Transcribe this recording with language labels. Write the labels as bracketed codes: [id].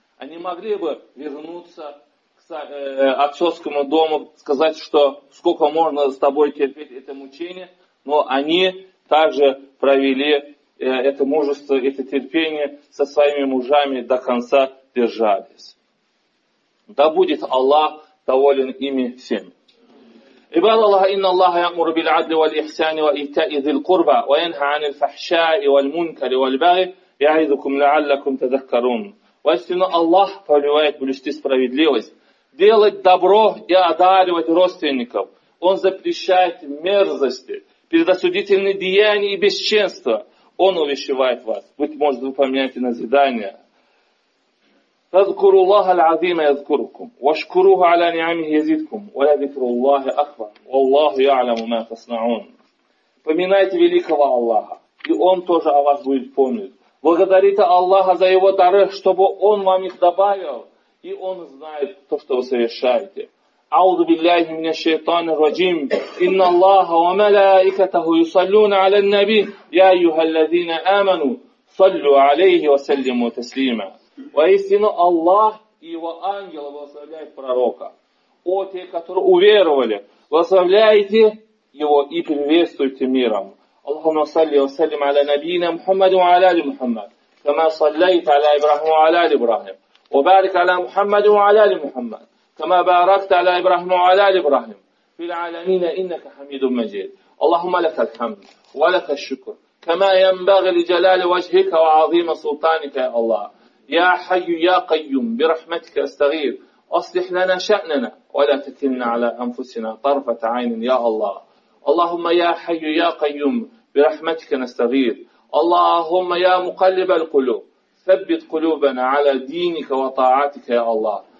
[ru] Они могли бы вернуться к отцовскому дому, сказать, что сколько можно с тобой терпеть это мучение, но они также провели это мужество, это терпение со своими мужами до конца держались. Да будет Аллах доволен ими всем. [ar] عباد الله إن الله يأمر بالعدل والإحسان وإيتاء ذي القربى وينهى عن الفحشاء والمنكر والبغي يعظكم لعلكم تذكرون. [ru] Воистину Аллах повелевает блюсти справедливость, делать добро и одаривать родственников. Он запрещает мерзости, предосудительные деяния и бесчинства. Он увещевает вас. Быть может, вы поменяете назидание. [ar] فاذكروا الله العظيم يذكركم واشكروه على نعمه يزدكم ولذكر الله أكبر والله يعلم ما تصنعون. [ru] Поминайте великого Аллаха, и Он тоже о вас будет помнить. Благодарите Аллаха за Его дары, чтобы Он вам их добавил, и Он знает то, что вы совершаете. [ar] أعوذ بالله من الشيطان الرجيم إن الله وملائكته يصلون على النبي يا أيها الذين آمنوا صلوا عليه وسلموا تسليما. [ru] Воистину Аллах и его ангелы благословляют пророка. О те, которые уверовали, благословляйте его и приветствуйте миром. [ar] Аллахумма салли ва саллим аля набийина Мухаммаду ва аля али Мухаммад. Кама саллайта аля Ибрахима ва аля али Ибрахим. Ва барик аля Мухаммаду ва аля али Мухаммад. Кама баракта аля Ибрахима ва аля али Ибрахим. Фил аламина иннака хамидум маджид. Аллахумма лака аль-хамд ва лака аш-шукр. Кама янбаги ли джалали ваджхика ва азима султаника я Аллах. يا حي يا قيوم برحمتك استغيث اصلح لنا شأننا ولا تكلنا على انفسنا طرفة عين يا الله. اللهم يا حي يا قيوم برحمتك نستغيث. اللهم يا مقلب القلوب ثبت قلوبنا على دينك وطاعتك يا الله.